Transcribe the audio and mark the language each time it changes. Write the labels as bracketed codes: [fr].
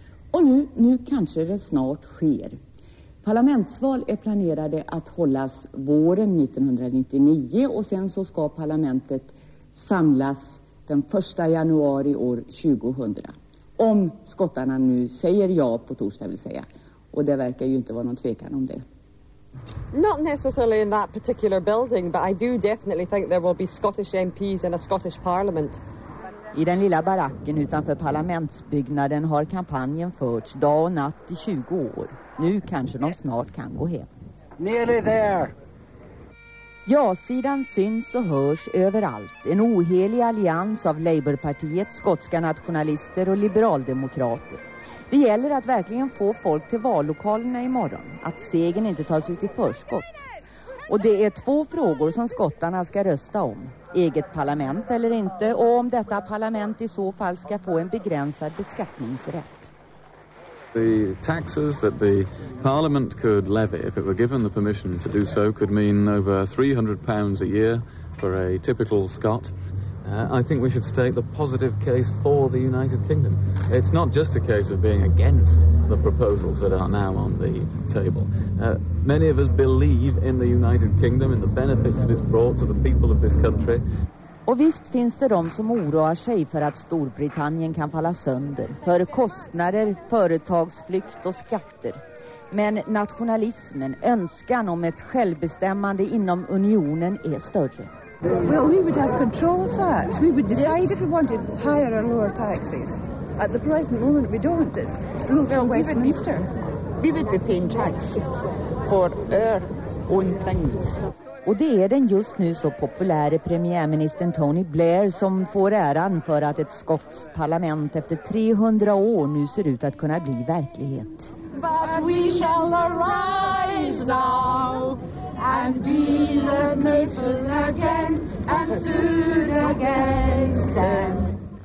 [sv] Och nu kanske det snart sker. Parlamentsval är planerade att hållas våren 1999 och sen så ska parlamentet samlas den 1 januari år 2000. Om skottarna nu säger ja på torsdag, vill säga. Och det verkar ju inte vara någon tvekan om det. [en] Not necessarily in that particular building, but I do definitely think there will be Scottish MPs in a Scottish parliament. [sv] I den lilla baracken utanför parlamentsbyggnaden har kampanjen förts dag och natt i 20 år. Nu kanske de snart kan gå hem. [en] Nearly there. [sv] Ja-sidan syns och hörs överallt. En ohelig allians av Labourpartiet, skotska nationalister och liberaldemokrater. Det gäller att verkligen få folk till vallokalerna imorgon. Att segern inte tas ut i förskott. Och det är 2 frågor som skottarna ska rösta om. Eget parlament eller inte, och om detta parlament i så fall ska få en begränsad beskattningsrätt. [en] The taxes that the parliament could levy if it were given the permission to do so could mean over £300 a year for a typical Scot. I think we should state the positive case for the United Kingdom. It's not just a case of being against the proposals that are now on the table. Many of us believe in the United Kingdom and the benefits that it's brought to the people of this country. [sv] Och visst finns det de som oroar sig för att Storbritannien kan falla sönder. För kostnader, företagsflykt och skatter. Men nationalismen, önskan om ett självbestämmande inom unionen är större. [en] Well, we would have control of that. We would decide if we wanted higher or lower taxes. At the present moment, we don't. It's ruled from Westminster. We would be paying taxes for our own things. [sv] Och det är den just nu så populära premiärministern Tony Blair som får äran för att ett skotskt parlament efter 300 år nu ser ut att kunna bli verklighet. [en] But we shall arise now and be the nation again and soon again stand.